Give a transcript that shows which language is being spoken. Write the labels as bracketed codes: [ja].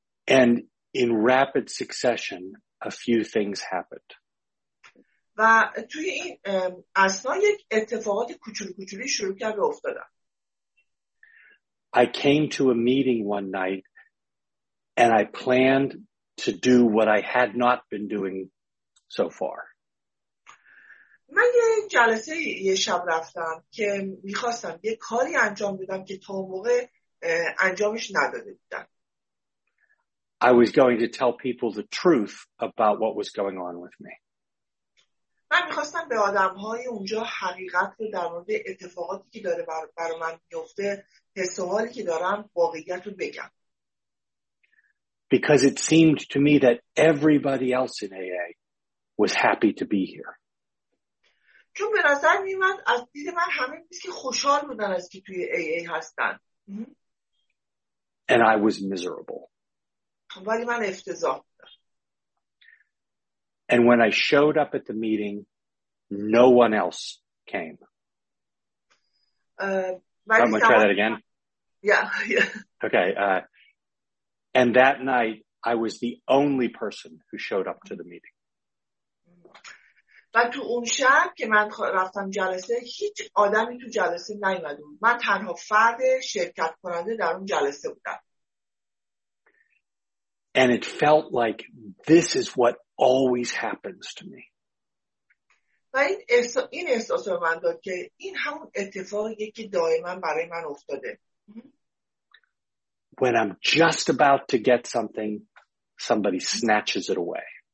[en] And in rapid succession, a few things happened. [fa] و توی این اثنا یک اتفاقات کوچولو شروع کرد و افتادم. [en] I came to a meeting one night and I planned to do what I had not been doing so far. [fa] من یه جلسه یه شب رفتم که میخواستم یه کاری انجام بدم که تا موقع انجامش نداده بودم. [en] I was going to tell people the truth about what was going on with me. [fa] من می‌خواستم به آدم‌های اونجا حقیقت رو در مورد اتفاقاتی که داره برای من می‌افته، حس و حالی که دارم، واقعیت رو بگم. [en] Because it seemed to me that everybody else in AA was happy to be here. [fa] چون به نظر می‌اومد از دید من همه کسی که خوشحال بودن از که توی AA هستن. [en] And I was miserable. [fa] ولی من افتضاح. [en] And when I showed up at the meeting, no one else came. I'm going to try that again. Yeah. Okay. And that night, I was the only person who showed up to the meeting. But to [fa] اون شب که من رفتم جلسه، هیچ آدمی تو جلسه نیومد. من تنها فرد شرکت کننده در اون جلسه بودم. [en] And it felt like this is what always happens to me. When I'm just about to get something, somebody snatches it away.